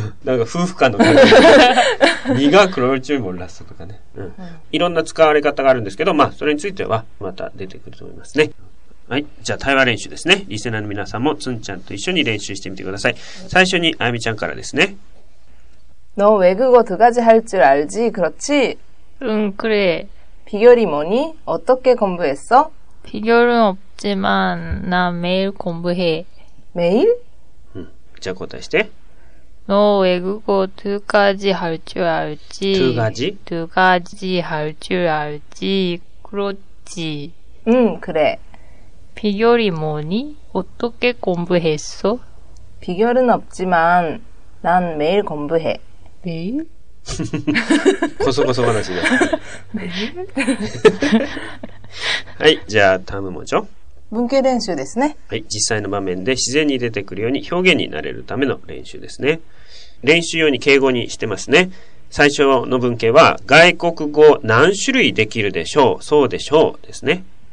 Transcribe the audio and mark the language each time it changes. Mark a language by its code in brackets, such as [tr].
[ja] なんか夫婦間の感じ。苦黒いチュルモルラッソとかね、うん。いろんな使われ方があるんですけど、まあ、それについてはまた出てくると思いますね。はい。じゃあ、対話練習ですね。リスナーの皆さんも、つんちゃんと一緒に練習してみてください。最初に、あやみちゃんからですね。 [ko] 너외국어두가지할줄알지그렇지 응그래 비결이뭐니어떻게공부했어 비결은없지만나매일공부해 매일 응자고다시대 너외국어두가지할줄알지 두가지 두가지할줄알지그렇지 응그래 비결이뭐니어떻게공부했어 비결은없지만난매일공부해 매일 [ja] こそこそ話です。 [ko] 매 [ja] 일はい、じゃあ、タームもちょ。文系練習ですね。はい、実際の場面で自然に出てくるように表現になれるための練習ですね。練習用に敬語にしてますね。最初の文系は、外国語何種類できるでしょう、そうでしょう、ですね。